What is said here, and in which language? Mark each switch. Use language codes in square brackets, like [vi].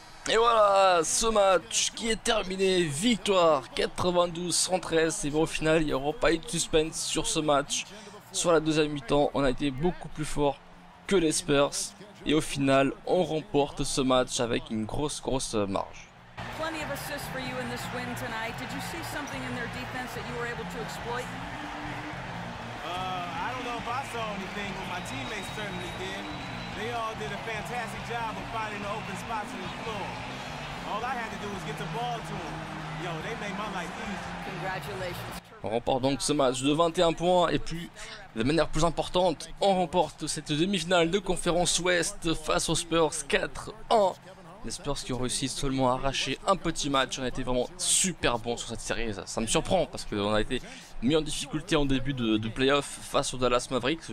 [fr] Et voilà, ce match qui est terminé. Victoire 92-113. Et bon, au final, il n'y aura pas eu de suspense sur ce match. Sur la deuxième mi-temps, on a été beaucoup plus fort que les Spurs. Et au final, on remporte ce match avec une grosse, grosse marge. [en] Plenty of assists for you in this win tonight. Did you see something in their defense that you were able to exploit? I don't know if I saw anything, but my teammates certainly did. They all did a fantastic job of finding the open spots on the floor. All I had to do was get the ball to them. Yo, they made my life easy. Congratulations. [fr] On remporte donc ce match de 21 points et plus de manière plus importante, on remporte cette demi-finale de conférence Ouest face aux Spurs 4-1. Les Spurs qui ont réussi seulement à arracher un petit match. On a été vraiment super bon sur cette série. Ça me surprend parce qu'on a été mis en difficulté en début de playoff face aux Dallas Mavericks.